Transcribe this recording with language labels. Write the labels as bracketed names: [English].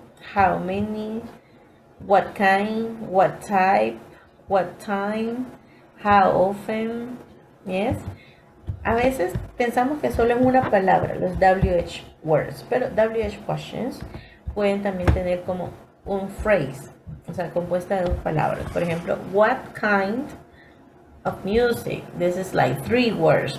[English] How many, what kind, what type, what time, how often, yes. [Spanish] A veces pensamos que solo es una palabra, los [English] WH words, [Spanish] pero [English] WH questions [Spanish] pueden también tener como un phrase, o sea, compuesta de dos palabras. Por ejemplo, [English] what kind of music, this is like three words.